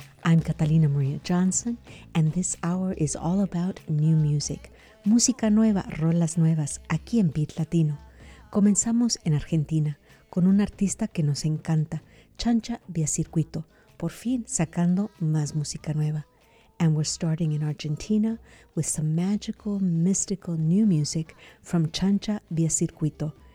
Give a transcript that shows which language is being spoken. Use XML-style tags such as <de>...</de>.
<en>I'm Catalina Maria Johnson, and this hour is all about new music.</en> <es>Música nueva, rolas nuevas, aquí en Beat Latino. Comenzamos en Argentina, con un artista que nos encanta, Chancha Via Circuito, por fin sacando más música nueva.</es> <en>And we're starting in Argentina with some magical, mystical new music from Chancha Via Circuito.</en>